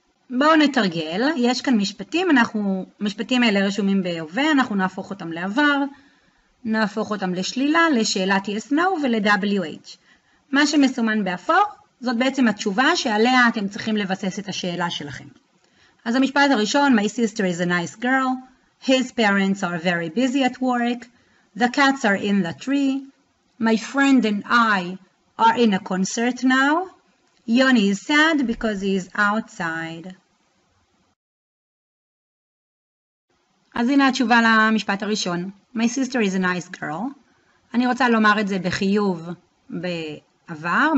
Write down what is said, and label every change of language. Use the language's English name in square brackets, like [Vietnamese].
[Hebrew] בואו נתרגל, יש כאן משפטים, משפטים האלה רשומים בהווה, אנחנו נהפוך אותם לעבר, נהפוך אותם לשלילה, לשאלת yes no ול-WH. מה שמסומן באפור, זאת בעצם התשובה שעליה אתם צריכים לבסס את השאלה שלכם. אז המשפט הראשון, [English] my sister is a nice girl, his parents are very busy at work, the cats are in the tree, my friend and I are in a concert now, Yoni is sad because he is outside. [Hebrew] אז הנה התשובה למשפט הראשון. [English] My sister is a nice girl. [Hebrew] אני רוצה לומר את זה בחיוב בעבר.